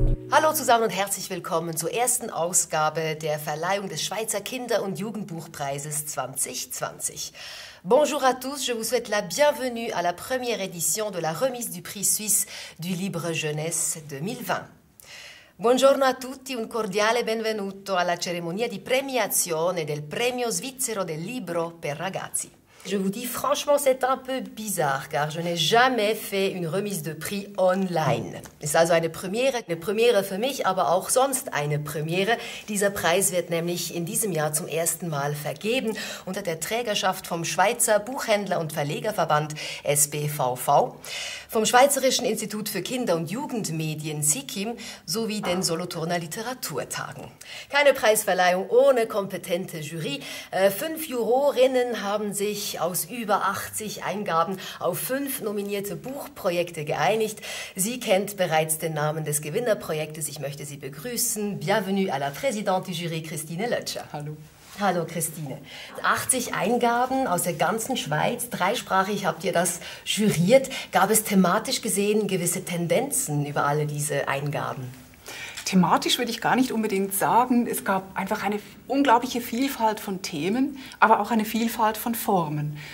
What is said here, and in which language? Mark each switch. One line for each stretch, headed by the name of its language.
German: Hallo zusammen und herzlich willkommen zur ersten Ausgabe der Verleihung des Schweizer Kinder- und Jugendbuchpreises 2020.
French: Bonjour à tous, je vous souhaite la bienvenue à la première édition de la remise du prix suisse du Libre Jeunesse 2020.
Italian: Buongiorno a tutti, un cordiale benvenuto alla cerimonia di premiazione del Premio Svizzero del Libro per Ragazzi.
French: Je vous dis franchement, c'est un peu bizarre, car je n'ai jamais fait une remise de prix online.
German: Ist also eine Premiere für mich, aber auch sonst eine Premiere. Dieser Preis wird nämlich in diesem Jahr zum ersten Mal vergeben unter der Trägerschaft vom Schweizer Buchhändler- und Verlegerverband SBVV, vom Schweizerischen Institut für Kinder- und Jugendmedien SIKIM sowie den Solothurner Literaturtagen. Keine Preisverleihung ohne kompetente Jury. Fünf Jurorinnen haben sich aus über 80 Eingaben auf fünf nominierte Buchprojekte geeinigt. Sie kennt bereits den Namen des Gewinnerprojektes. Ich möchte Sie begrüßen.
French: Bienvenue à la présidente du Jury, Christine Lötscher.
German: Hallo. Hallo Christine. 80 Eingaben aus der ganzen Schweiz, dreisprachig habt ihr das juriert. Gab es thematisch gesehen gewisse Tendenzen über alle diese Eingaben? Thematisch würde ich gar nicht unbedingt sagen. Es gab einfach eine unglaubliche Vielfalt von Themen, aber auch eine Vielfalt von Formen.